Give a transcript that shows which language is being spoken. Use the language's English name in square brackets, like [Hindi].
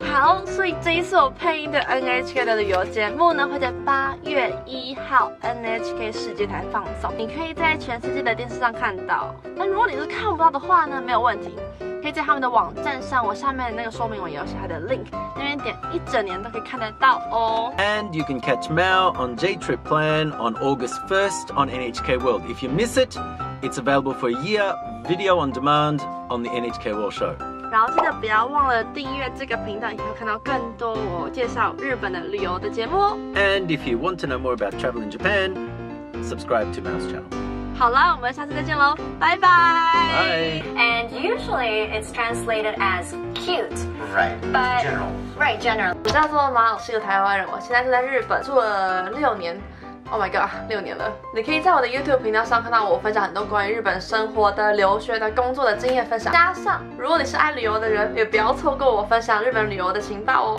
[Chinese] 好，所以这一次我配音的 NHK 的旅游节目呢，会在八月一号 NHK 世界台放送，你可以在全世界的电视上看到。那如果你是看不到的话呢，没有问题，可以在他们的网站上，我下面的那个说明文也有写他的 link， 那边点一整年都可以看得到哦。 [English] And you can catch Mao on JTrip Plan on August 1st on NHK World. If you miss it, it's available for a year, video on demand on the NHK World Show. [Chinese] 然后记得不要忘了订阅这个频道，你会看到更多我介绍日本的旅游的节目哦。 [English] And if you want to know more about travel in Japan, subscribe to Mao's channel. [Chinese] 好啦，我们下次再见咯，拜拜。 [English] Bye. And usually it's translated as cute. Right. But, general. Right, general. [Chinese] 我叫做马老师，一个台湾人，我现在是在日本住了六年。 [English] Oh my god， [Chinese] 六年了。你可以在我的 YouTube 频道上看到我分享很多关于日本生活的、留学的、工作的经验分享。加上，如果你是爱旅游的人，也不要错过我分享日本旅游的情报哦。